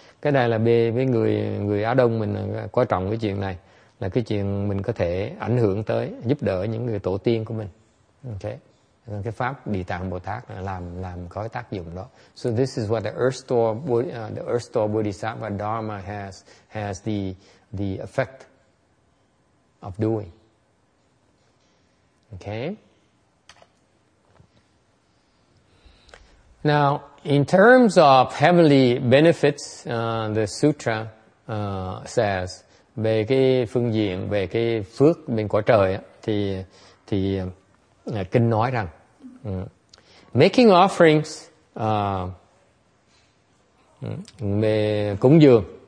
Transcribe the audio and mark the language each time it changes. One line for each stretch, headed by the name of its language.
Vietnamese: Cái này là với người Á Đông mình coi trọng cái chuyện này. Là cái chuyện mình có thể ảnh hưởng tới, giúp đỡ những người tổ tiên của mình. Okay. Cái pháp Địa Tạng Bồ Tát làm có tác dụng đó.
English: So this is what the Earth-Star Bodhisattva Dharma has the effect of doing. Okay. Now, in terms of heavenly benefits, the sutra says...
Vietnamese: về cái phương diện về cái phước bên quả trời á, thì kinh nói rằng
English: making offerings
Vietnamese: về cúng dường